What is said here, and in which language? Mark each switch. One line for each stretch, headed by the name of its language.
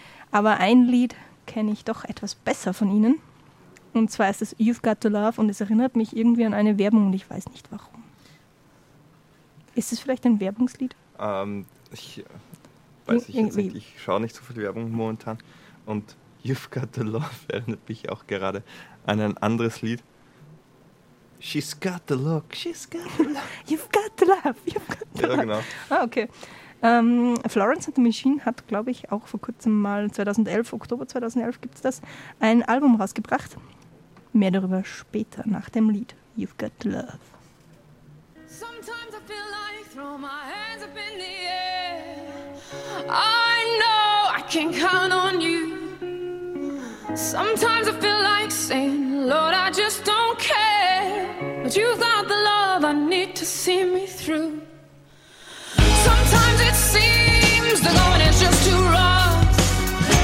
German: Aber ein Lied kenne ich doch etwas besser von ihnen. Und zwar ist es You've Got to Love und es erinnert mich irgendwie an eine Werbung und ich weiß nicht warum. Ist es vielleicht ein Werbungslied? Ich weiß nicht, ich schaue nicht so viel Werbung momentan. Und You've Got to Love erinnert mich auch gerade an ein anderes Lied.
English: She's got the look, she's got the look. You've got the love, you've got the love.
German: Ja, genau. Ah, okay. Florence and the Machine hat, glaube ich, auch vor kurzem mal, Oktober 2011 gibt es das, ein Album rausgebracht. Mehr darüber später, nach dem Lied You've Got the Love.
English: Sometimes I feel like throw my hands up in the air. I know I can count on you. Sometimes I feel like saying, Lord, I just don't care. But you've got the love I need to see me through. Sometimes it seems the going is just too rough.